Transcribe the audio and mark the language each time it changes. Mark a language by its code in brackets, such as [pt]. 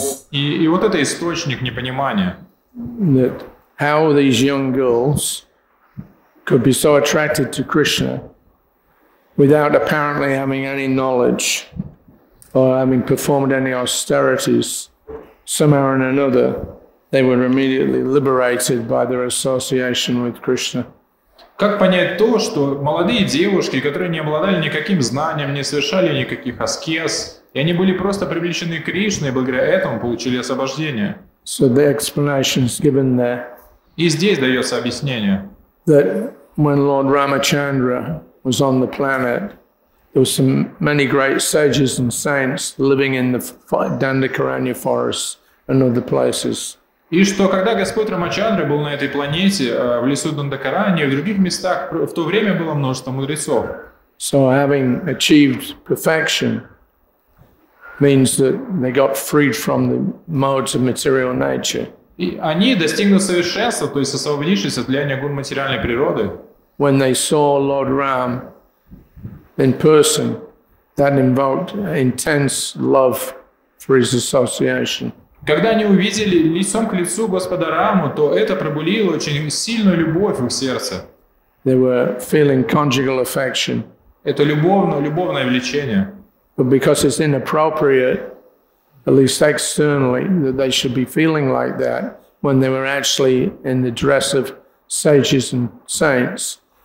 [ru] И вот это источник непонимания. [en] That how these young girls could be so attracted to Krishna without apparently having any knowledge or having performed any austerities, somehow or another, they were immediately liberated by their association with Krishna. [ru] Как понять то, что молодые девушки, которые не обладали никаким знанием, не совершали никаких аскез, и они были просто привлечены к Кришне, и благодаря этому получили освобождение? [en] So the explanation is given there. [ru] И здесь дается объяснение. [en] That when Lord Ramachandra was on the planet, there were some many great sages and saints living in the Dandakaranya forests and other places. [ru] И что, когда Господь Рамачандра был на этой планете, в лесу Дандакаранья, в других местах, в то время было множество мудрецов. [en] So having achieved perfection means that they got freed from the modes of material nature. [ru] И они достигнут совершенства, то есть освободившись от влияния гун материальной природы. [en] When they saw Lord Ram in person, that invoked intense love for his association. [ru] Когда они увидели лицом к лицу Господа Раму, то это пробудило очень сильную любовь в их сердце. [en] They were feeling conjugal affection. [ru] Это любовное влечение. [en] But because it's inappropriate, at least externally, that they should be feeling like that when they were actually in the dress of sages and saints,